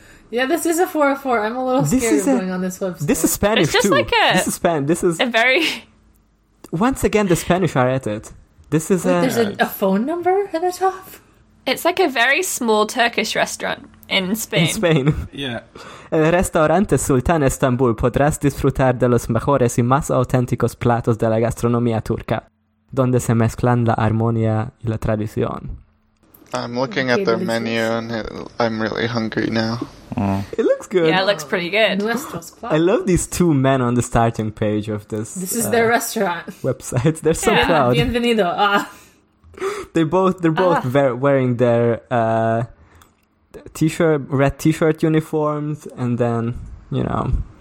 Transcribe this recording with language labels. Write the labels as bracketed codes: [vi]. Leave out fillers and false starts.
[en] Yeah, this is a 404. I'm a little scared of going on this website. This is Spanish, it's just too. Like a, this is Spanish. This is a very... Once again, the Spanish are at it. This is Wait, there's a phone number at the top? It's like a very small Turkish restaurant in Spain. In Spain. Yeah. [es] El restaurante Sultan Estambul podrás disfrutar de los mejores y más auténticos platos de la gastronomía turca, donde se mezclan la armonía y la tradición. [en] I'm looking at their menu and I'm really hungry now. Mm. It looks good. Yeah, it looks pretty good. I love these two men on the starting page of this. This is their restaurant. Website. They're so proud. [es] Bienvenido. [en] They're both wearing their red t-shirt uniforms and then, you know.